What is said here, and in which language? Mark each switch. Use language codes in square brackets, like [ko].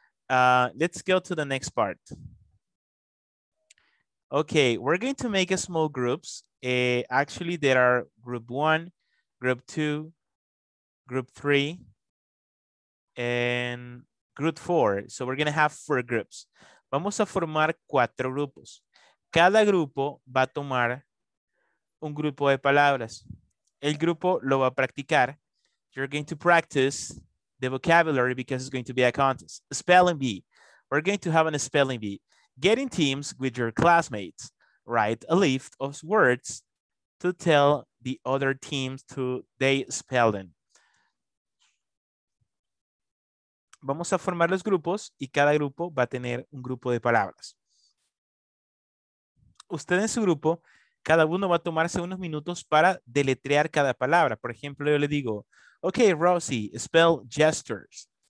[en] Let's go to the next part. Okay, we're going to make a small groups. Actually, there are group one, group two, group three, and group four. So we're going to have four groups. [es] Vamos a formar cuatro grupos. Cada grupo va a tomar un grupo de palabras. El grupo lo va a practicar. [en] You're going to practice the vocabulary because it's going to be a contest. Spelling bee. We're going to have a spelling bee. Get in teams with your classmates. Write a list of words to tell the other teams to they spell them. [es] Vamos a formar los grupos y cada grupo va a tener un grupo de palabras. Usted en su grupo, cada uno va a tomarse unos minutos para deletrear cada palabra. Por ejemplo, yo le digo, okay, Rosie, [en] spell gestures.